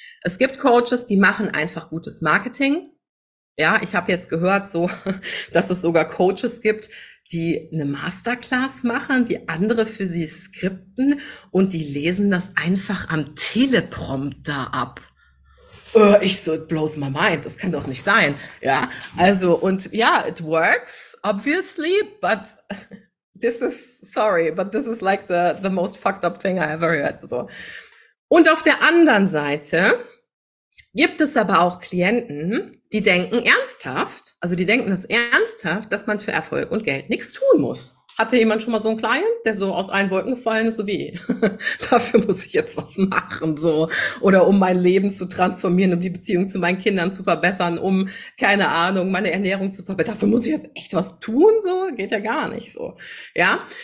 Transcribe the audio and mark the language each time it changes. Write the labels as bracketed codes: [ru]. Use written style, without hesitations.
[de] Es gibt Coaches, die machen einfach gutes Marketing. Ja, ich habe jetzt gehört, so, dass es sogar Coaches gibt, die eine Masterclass machen, die andere für sie skripten und die lesen das einfach am Teleprompter ab. Ich so, [en] it blows my mind, [de] das kann doch nicht sein. Ja, also, und ja, [en] it works, obviously, but this is like the most fucked up thing I ever heard. [de] So. Und auf der anderen Seite gibt es aber auch Klienten, die denken ernsthaft, also die denken das ernsthaft, dass man für Erfolg und Geld nichts tun muss. Hatte jemand schon mal so einen Client, der so aus allen Wolken gefallen ist, so wie, dafür muss ich jetzt was machen, so, oder um mein Leben zu transformieren, um die Beziehung zu meinen Kindern zu verbessern, um, keine Ahnung, meine Ernährung zu verbessern, dafür muss ich jetzt echt was tun, so, geht ja gar nicht so, ja.